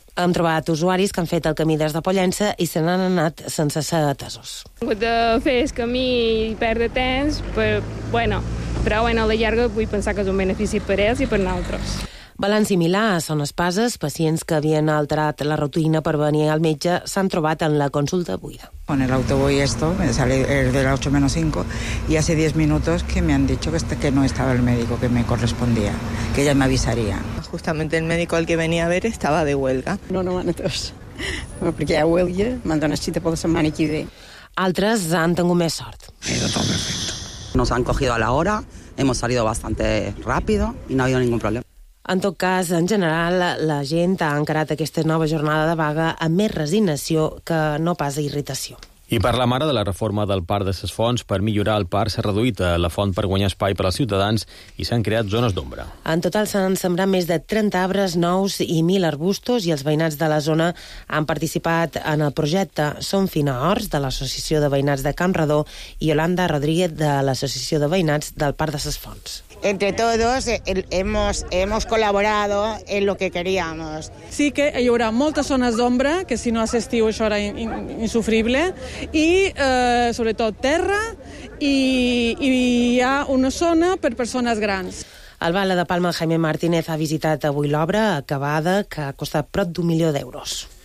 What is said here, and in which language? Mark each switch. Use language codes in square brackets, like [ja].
[ca] Hem trobat usuaris que han fet el camí des de Pollença i se n'han anat sense ser atesos. He hagut de fer el camí i perdre temps, però a la llarga vull pensar que és un benefici per ells i per nosaltres. Balanç similar a Son Espases, pacients que havien alterat la rutina per venir al metge s'han trobat en la consulta buida. [es] Con el autobús esto, me sale el de las 8:05, y hace 10 minutos que me han dicho que no estaba el médico que me correspondía, que ya me avisaría. Justamente el médico al que venía a ver estaba de huelga. [ca] No van a tots, [es] porque hay huelga, me han [ca] donat [es] cita por la [ca] setmana que ve. Altres han tingut més sort. [es] He ido todo perfecto. Nos han cogido a la hora, hemos salido bastante rápido y no ha habido ningún problema. [ca] En tot cas, en general, la gent ha encarat aquesta nova jornada de vaga amb més resignació que no pas irritació. I per la mare de la reforma del parc de ses fonts, per millorar el parc s'ha reduït a la font per guanyar espai per als ciutadans i s'han creat zones d'ombra. En total s'han sembrat més de 30 arbres nous i 1.000 arbustos i els veïnats de la zona han participat en el projecte. Són Fina Horts, de l'Associació de Veïnats de Can Redó, i Yolanda Rodríguez, de l'Associació de Veïnats del parc de ses fonts. [es] Entre todos hemos colaborado en lo que queríamos. [ca] Sí que hi haurà moltes zones d'ombra, que si no és estiu això era insufrible, i sobretot terra, i hi ha una zona per persones grans. El Bala de Palma, Jaime Martínez, ha visitat avui l'obra acabada, que ha costat prop d'1 milió d'euros.